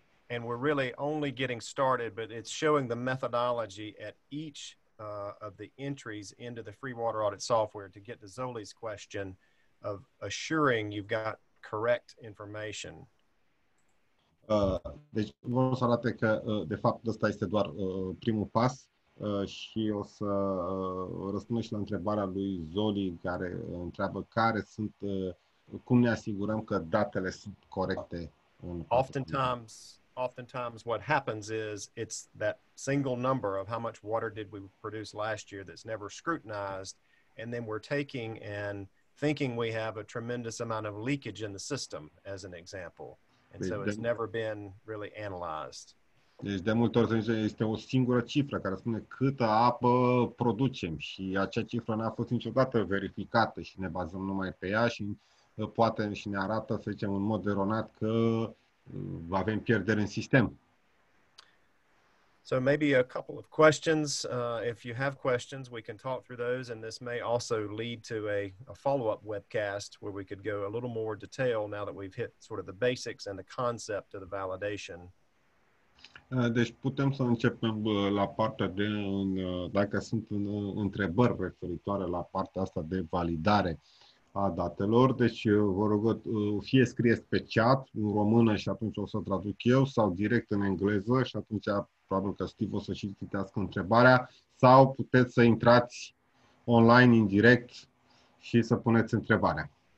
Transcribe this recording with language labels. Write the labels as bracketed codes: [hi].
[en] And we're really only getting started, but it's showing the methodology at each of the entries into the free water audit software to get to Zoli's question of assuring you've got correct information. [ro] Deci vă să arate că de fapt ăsta este doar primul pas. Și o să răspundem și la întrebarea lui Zoli, care întreabă care sunt, cum ne asigurăm că datele sunt corecte. [en] Oftentimes what happens is it's that single number of how much water did we produce last year that's never scrutinized, and then we're taking and thinking we have a tremendous amount of leakage in the system, as an example. And so it's never been really analyzed. [ro] Deci de multe ori este o singură cifră care spune câtă apă producem și acea cifră n-a fost niciodată verificată și ne bazăm numai pe ea și poate și ne arată, să zicem, în mod eronat că avem pierdere în sistem. [en] So maybe a couple of questions. If you have questions, we can talk through those, and this may also lead to a follow-up webcast where we could go a little more detail now that we've hit sort of the basics and the concept of the validation. [ro] Deci putem să începem la partea de, dacă sunt întrebări referitoare la partea asta de validare a datelor. Deci vă rog, fie scrieți pe chat în română și atunci o să traduc eu, sau direct în engleză și atunci probabil că Steve o să și citească întrebarea, sau puteți să intrați online în direct și să puneți întrebarea.